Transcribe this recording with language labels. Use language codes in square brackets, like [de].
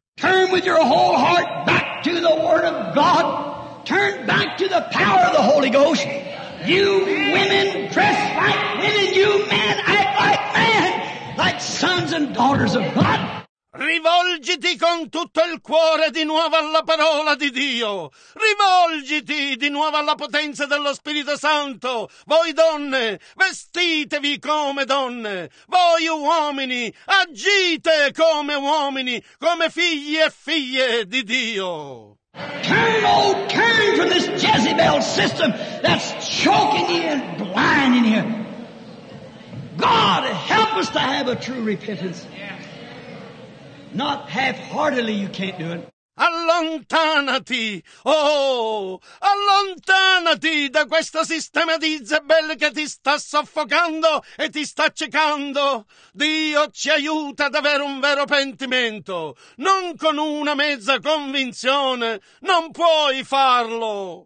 [en] Turn with your whole heart back to the word of God, turn back to the power of the Holy Ghost. You women dress like women, you men act like men, like sons and daughters of God. [it] Rivolgiti con tutto il cuore di nuovo alla parola di Dio. Rivolgiti di nuovo alla potenza dello Spirito Santo. Voi donne, vestitevi come donne. Voi uomini, agite come uomini, come figli e figlie di Dio. [en] Turn from this Jezebel system that's choking you and blinding you. God, help us to have a true repentance. Not half-heartedly, you can't do it. [it] Allontanati, allontanati da questo sistema di Isabel che ti sta soffocando e ti sta accecando. Dio ci aiuta ad avere un vero pentimento. Non con una mezza convinzione, non puoi farlo.